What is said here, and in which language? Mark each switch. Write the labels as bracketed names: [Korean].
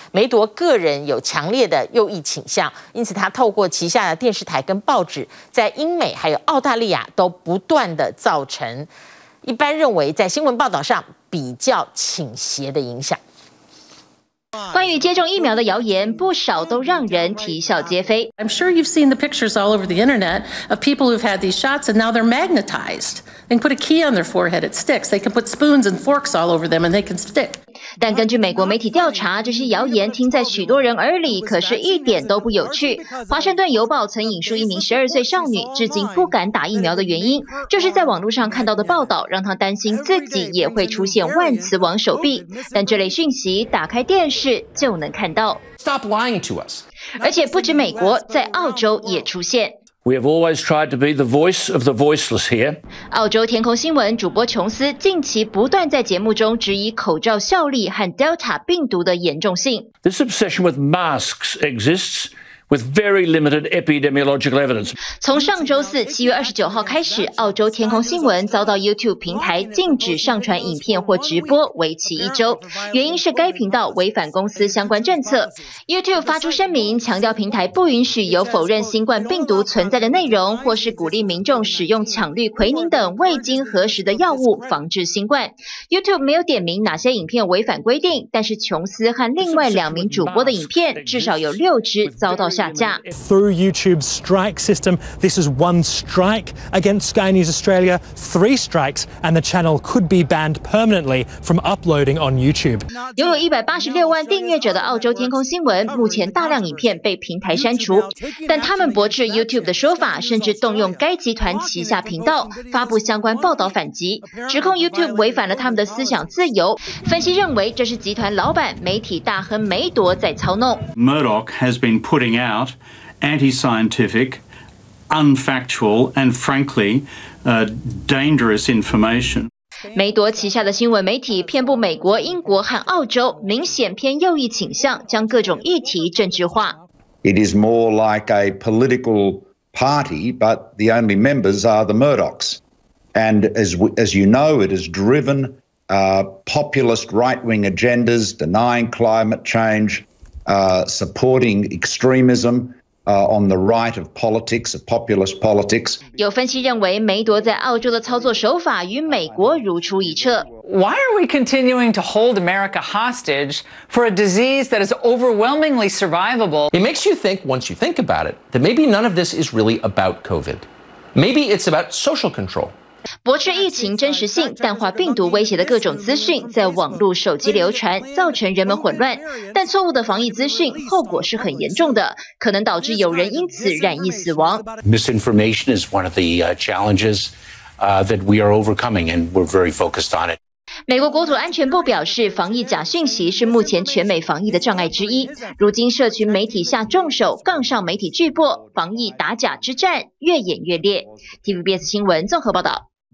[Chinese] 梅铎个人有强烈的右翼倾向，因此他透过旗下的电视台跟报纸，在英美还有澳大利亚都不断的造成一般认为在新闻报道上比较倾斜的影响。关于接种疫苗的谣言，不少都让人啼笑皆非。 [English] I'm sure you've seen the pictures all over the internet of people who've had these shots and now they're magnetized. They can put a key on their forehead, it sticks. They can put spoons and forks all over them and they can stick. [Chinese] 但根据美国媒体调查，这些谣言听在许多人耳里可是一点都不有趣。华盛顿邮报曾引述一名12岁少女至今不敢打疫苗的原因，就是在网络上看到的报道让她担心自己也会出现万磁王手臂，但这类讯息打开电视就能看到。 [English] Stop lying to us. [Chinese] 而且不止美国，在澳洲也出现。 [English] We have always tried to be the voice of the voiceless here. [Chinese] 澳洲天空新闻主播琼斯近期不断在节目中质疑口罩效力和 Delta 病毒的严重性。 [English] This obsession with masks exists. With very limited epidemiological evidence. [Chinese] 从上周四7月29号开始，澳洲天空新闻遭到 YouTube 平台禁止上传影片或直播，为期一周。原因是该频道违反公司相关政策。YouTube 发出声明，强调平台不允许有否认新冠病毒存在的内容，或是鼓励民众使用羟氯喹宁等未经核实的药物防治新冠。 YouTube 没有点名哪些影片违反规定，但是琼斯和另外两名主播的影片至少有六支遭到下架。 [English] Through YouTube's strike system, this is one strike against Sky News Australia. Three strikes, and the channel could be banned permanently from uploading on YouTube. [Chinese] 拥有186万订阅者的澳洲天空新闻，目前大量影片被平台删除，但他们驳斥 YouTube 的说法，甚至动用该集团旗下频道发布相关报道反击，指控 YouTube 违反了他们的思想自由。分析认为，这是集团老板、媒体大亨梅铎在操弄。 [English] Murdoch has been putting out anti-scientific, unfactual, and frankly, dangerous information. [Chinese] 梅铎旗下的新闻媒体遍布美国、英国和澳洲，明显偏右翼倾向，将各种议题政治化。 [English] It is more like a political party, but the only members are the Murdochs. And as you know, it is driven populist right-wing agendas, denying climate change. Supporting extremism, on the right of politics, of populist politics. [Chinese] 有分析认为，梅铎在澳洲的操作手法与美国如出一辙。 [English] Why are we continuing to hold America hostage for a disease that is overwhelmingly survivable? It makes you think, once you think about it, that maybe none of this is really about COVID. Maybe it's about social control. [Chinese] 驳斥疫情真实性、淡化病毒威胁的各种资讯在网络、手机流传，造成人们混乱。但错误的防疫资讯后果是很严重的，可能导致有人因此染疫死亡。 [English] Misinformation is one of the challenges that we are overcoming, and we're very focused on it. [Chinese] 美国国土安全部表示，防疫假讯息是目前全美防疫的障碍之一。如今社群媒体下重手，杠上媒体巨擘，防疫打假之战越演越烈。TVBS 新闻综合报道。